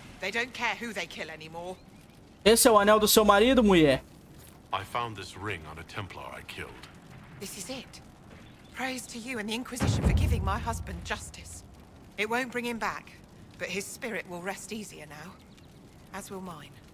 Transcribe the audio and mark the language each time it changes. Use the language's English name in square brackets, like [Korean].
[English] They don't care who they kill anymore. [Portuguese] Esse é o anel do seu marido, mulher. [English] I found this ring on a Templar I killed. This is it. Praise to you and the Inquisition for giving my husband justice. It won't bring him back, but his spirit will rest easier now, as will mine.